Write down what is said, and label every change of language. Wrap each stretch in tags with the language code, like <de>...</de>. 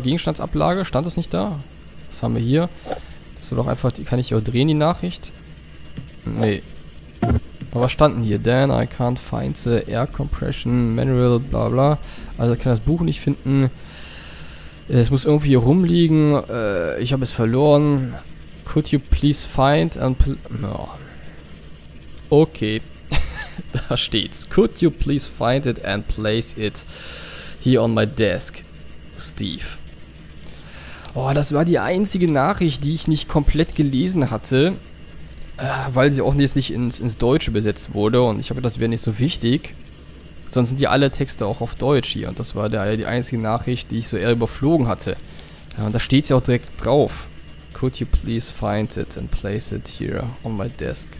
<de>Gegenstandsablage? Stand das nicht da? Was haben wir hier? Das soll doch einfach... Kann ich hier auch drehen, die Nachricht? Nee. Aber was stand denn hier?</de> <en>Dan, I can't find the air compression manual, bla bla.</en> <de>Also, ich kann das Buch nicht finden. Es muss irgendwie hier rumliegen. Ich habe es verloren.</de> <en>Could you please find and... No. Okay.</en> <de>Da steht's.</de> <en>Could you please find it and place it here on my desk, Steve?</en> <de>Oh, das war die einzige Nachricht, die ich nicht komplett gelesen hatte, weil sie auch jetzt nicht ins Deutsche besetzt wurde und ich habe das wäre nicht so wichtig. Sonst sind ja alle Texte auch auf Deutsch hier und das war die einzige Nachricht, die ich so eher überflogen hatte. Und da steht's ja auch direkt drauf.</de> <en>Could you please find it and place it here on my desk?</en>